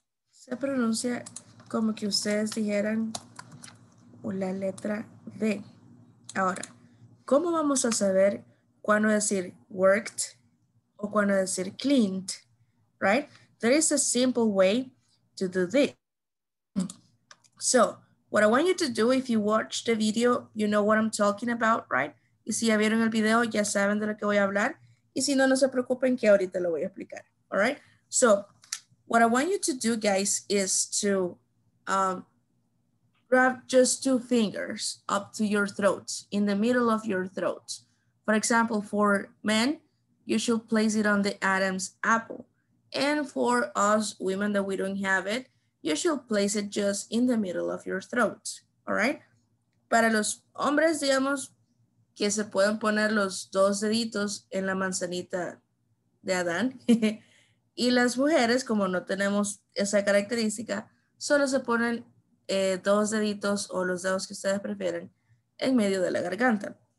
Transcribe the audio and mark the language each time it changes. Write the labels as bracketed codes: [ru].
[es] Se pronuncia como que ustedes dijeran la letra D. Ahora, ¿cómo vamos a saber cuándo decir worked o cuándo decir cleaned? [en] Right? There is a simple way to do this. So, what I want you to do, if you watch the video, you know what I'm talking about, right? [es] Y si ya vieron el video, ya saben de lo que voy a hablar. Y si no, no se preocupen que ahorita lo voy a explicar. [en] All right? So, what I want you to do, guys, is to grab just two fingers up to your throat, in the middle of your throat. For example, for men, you should place it on the Adam's apple. And for us women that we don't have it, you should place it just in the middle of your throat, all right? [es] Para los hombres, digamos, que se pueden poner los dos deditos en la manzanita de Adán. Y las mujeres, como no tenemos esa característica, solo se ponen dos deditos o los dedos que ustedes prefieren en medio de la garganta.